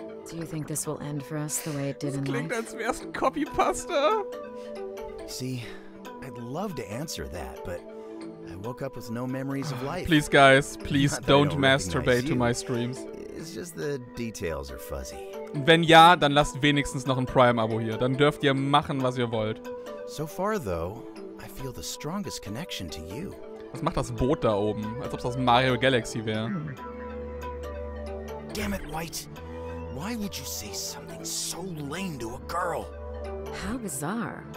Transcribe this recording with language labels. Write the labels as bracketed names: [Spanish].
[English] Do you think this will end for us the way it did in life? [German] Das klingt, als wär's ein Copy-Pasta. [English] See, I'd love to answer that, but I woke up with no memories of life. Please, guys, please don't masturbate to my streams. It's just the details are fuzzy. [German] Wenn ja, dann lasst wenigstens noch ein Prime-Abo hier. Dann dürft ihr machen, was ihr wollt. [English] So far, though, I feel the strongest connection to you. [German] Was macht das Boot da oben? Als ob es aus Mario Galaxy wäre. [English] Damn it, White. Why would you say something so lame to a girl? How bizarre.